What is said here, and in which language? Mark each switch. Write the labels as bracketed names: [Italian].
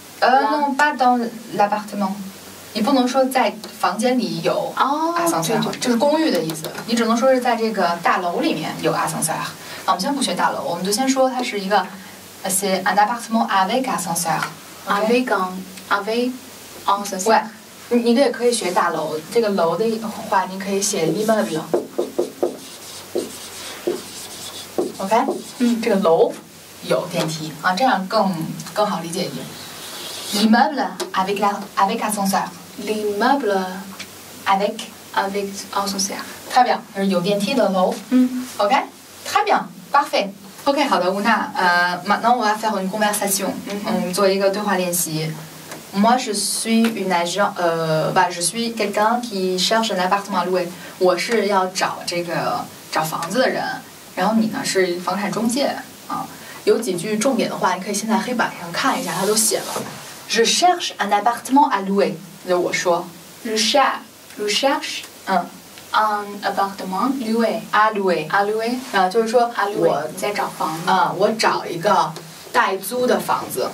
[French] Non, pas dans l'appartement. [Chinese] 你不能说在房间里有 ascenseur， 就是公寓的意思。你只能说是在这个大楼里面有 ascenseur。我们先不学大楼，我们就先说它是一个 [French] c'est un appartement avec ascenseur。 avec ascenseur。 [Chinese] 喂，你也可以学大楼，这个楼的话，你可以写 immeuble。 OK？这个楼有电梯啊，这样更好理解一点。 [French] L'immeuble avec ascenseur. L'immeuble avec ascenseur. Très bien. Il y a [Chinese] 电梯的楼. [French] OK? Très bien. Parfait. OK, [Chinese] 好的 [French] Ouna. Maintenant, on va faire une conversation. On va faire une [Chinese] 对话练习. [French] Moi, je suis une agent. Je suis quelqu'un qui cherche un appartement à louer. [Chinese] 我是要找这个找房子的人。然后你呢是房产中介。有几句重点的话你可以先在黑板上看一下它都写了。 [French] Je cherche un appartement à louer. [Chinese] 那我说 [French] Je cherche un appartement loué. À louer. À louer. [Chinese] 啊，就是说 [French] à louer. [Chinese] 在找房子。啊，我找一个带租的房子。